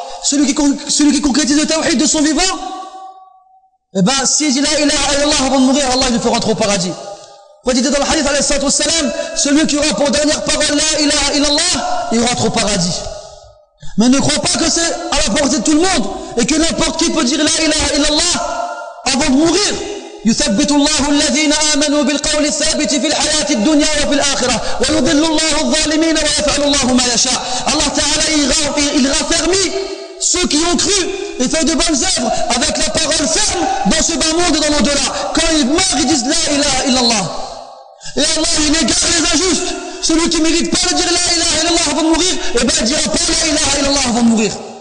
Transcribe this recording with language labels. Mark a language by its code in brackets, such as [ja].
[fr] Celui qui concrétise le tawhid de son vivant, eh ben, si il dit la ilaha illallah avant de mourir, Allah le fera entrer au paradis. Quand il dit dans le hadith, alayhi salatu wassalam, celui qui aura pour dernière parole la ilaha illallah, il rentre au paradis. Mais ne crois pas que c'est à la portée de tout le monde et que n'importe qui peut dire la ilaha illallah avant de mourir. [ar] يثبت الله الذين آمنوا بالقول الثابت في الحياة الدنيا وفي الآخرة ويضل الله الظالمين ويفعل الله ما يشاء. الله تعالى يغفرني [fr] ceux qui ont cru et fait de bonnes œuvres avec la parole ferme dans ce bas monde et dans l'au-delà. Quand ils meurent, ils disent la ilaha illallah. Et Allah, il égare les injustes. Celui qui ne mérite pas de dire la ilaha illallah avant de mourir, et bien il dira pas la ilaha illallah avant de mourir.